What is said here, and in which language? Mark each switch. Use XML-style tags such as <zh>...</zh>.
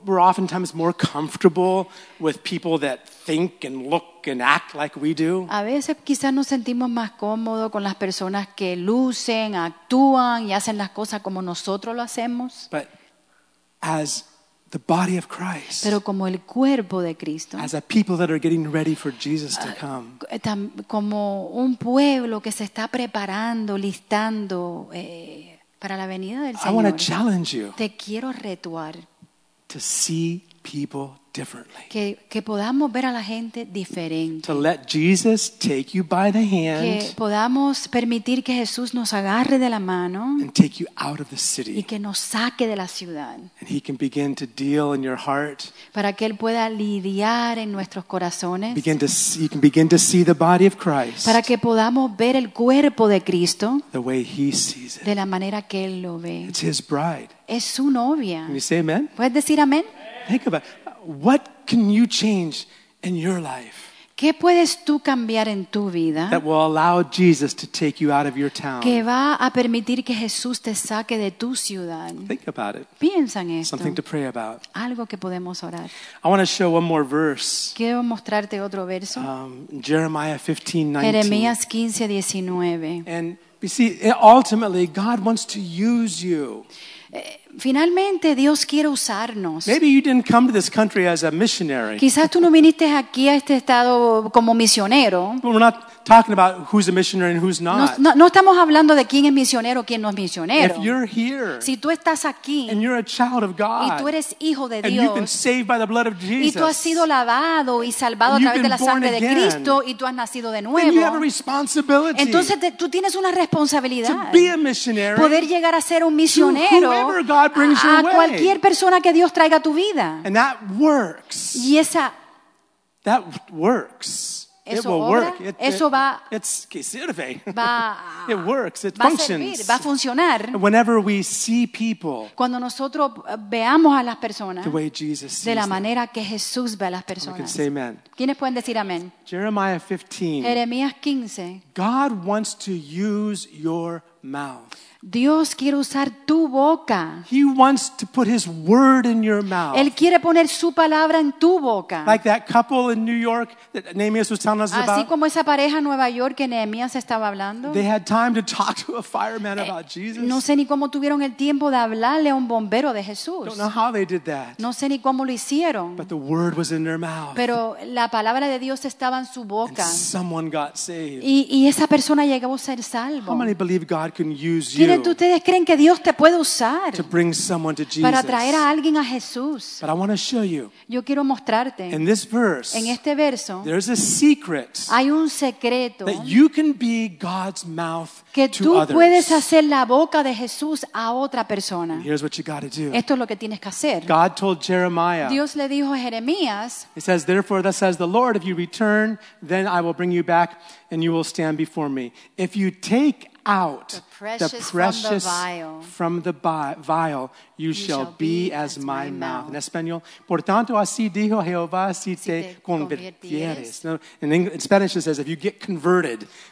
<en>We're oftentimes more comfortable with people that think and look and act like we do.</en> <es>A veces quizás nos sentimos más cómodos con las personas que lucen, actúan y hacen las cosas como nosotros lo hacemos.</es> <en>But as the body of Christ.</en> <es>Pero como el cuerpo de Cristo.</es> <en>As a people that are getting ready for Jesus to come.</en> <es>Como un pueblo que se está preparando, listando para la venida del Señor.</es> <en>I want to challenge you.</en> <es>Te quiero retuar.</es> <en>To see people differently.</en> <es>Que podamos ver a la gente diferente.</es> <en>To let Jesus take you by the hand.</en> <es>Que podamos permitir que Jesús nos agarre de la mano.</es> <en>And take you out of the city.</en> <es>Y que nos saque de la ciudad.</es> <en>And he can begin to deal in your heart.</en> <es>Para que él pueda lidiar en nuestros corazones.</es> <en>You can begin to see the body of Christ.</en> <es>Para que podamos ver el cuerpo de Cristo.</es> <en>The way he sees it.</en> <es>De la manera que él lo ve.</es> <en>It's his bride.</en> <es>Es su novia.</es> <en>Can you say amen?</en> <es>¿Puedes decir amén?</es> <en>Think about it. What can you change in your life?</en> <es>¿Qué puedes tú cambiar en tu vida?</es> <en>That will allow Jesus to take you out of your town.</en> <es>Que va a permitir que Jesús te saque de tu ciudad.</es> <en>Think about it.</en> <es>Piensa en esto.</es> <en>Something to pray about.</en> <es>Algo que podemos orar.</es> <en>I want to show one more verse.</en> <es>Quiero mostrarte otro verso.</es> <en>Jeremiah 15:19.</en> <es>Jeremías 15:19.</es> <en>And you see, ultimately, God wants to use you.</en> <es>Finalmente Dios quiere usarnos.</es> <en>Maybe you didn't come to this country as a missionary.</en> <es>Quizás tú no viniste aquí a este estado como misionero.</es> <en>We're not talking about who's a missionary and who's not.</en> <es>No estamos hablando de quién es misionero, quién no es misionero.</es> <en>If you're here,</en> <es>si tú estás aquí,</es> <en>and you're a child of God,</en> <es>y tú eres hijo de Dios,</es> <en>and you've been saved by the blood of Jesus,</en> <es>y tú has sido lavado y salvado a través de la sangre de Cristo, y tú has nacido de nuevo,</es> <en>then you have a responsibility.</en> <es>Entonces tú tienes una responsabilidad.</es> <en>To be a missionary,</en> <es>poder llegar a ser un misionero.</es> <en>God brings</en> <es>a cualquier persona que Dios traiga a tu vida.</es> <en>And that works.</en> <es>Y esa</es> <en>that works.</en> <es>Eso</es> <en>it will</en> <es>obra,</es> <en>work.</en> <es>It, eso va it's que sirve. Va</es> <en>it works. It</en> <es>va</es> <en>functions.</en> <es>A servir, va a funcionar.</es> <en>Whenever we see people.</en> <es>Cuando nosotros veamos a las personas.</es> <en>The way Jesus sees</en> <es>de la manera</es> <en>them.</en> <es>Que Jesús ve a las personas.</es> <en>We can say amen.</en> <es>¿Quiénes pueden decir amén?</es> <en>Jeremiah 15.</en> <es>Jeremías 15.</es> <en>God wants to use your mouth.</en> <es>Dios quiere usar tu boca.</es> <en>He wants to put his word in your mouth.</en> <es>Él quiere poner su palabra en tu boca.</es> <en>Like that couple in New York that Nehemiah was telling us</en> <es>Así</es> <en>about.</en> <es>Así como esa pareja en Nueva York que Nehemías estaba hablando.</es> <en>They had time to talk to a fireman about Jesus.</en> <es>No sé ni cómo tuvieron el tiempo de hablarle a un bombero de Jesús.</es> <en>Don't know how they did that.</en> <es>No sé ni cómo lo hicieron.</es> <en>But the word was in their mouth.</en> <es>Pero la palabra de Dios estaba en su boca.</es> <en>And someone got saved.</en> <es>Y esa persona llegó a ser salvo.</es> <en>How many believe God can use you?</en> <es>¿Ustedes creen que Dios te puede usar</es> <en>to bring someone to Jesus.</en> <es>Para traer a alguien a Jesús?</es> <en>But I want to show you,</en> <es>yo quiero mostrarte</es> <en>in this verse,</en> <es>en este verso</es> <en>there's a secret,</en> <es>hay un secreto</es> <en>that you can be God's mouth</en> <es>que</es> <en>to</en> <es>tú</es> <en>others.</en> <es>Puedes hacer la boca de Jesús a otra persona.</es> <en>And here's what you got to do.</en> <es>Esto es lo que tienes que hacer.</es> <en>God told Jeremiah,</en> <es>Dios le dijo a Jeremías,</es> <en>he says, therefore thus says the Lord, if you return then I will bring you back and you will stand before me. If you take out the precious from the vial, you shall be as my mouth. In Espanol,</en> <es>por tanto así dijo Jehová, si te convertieres.</es> <en>In Spanish it says, if you get converted.</en>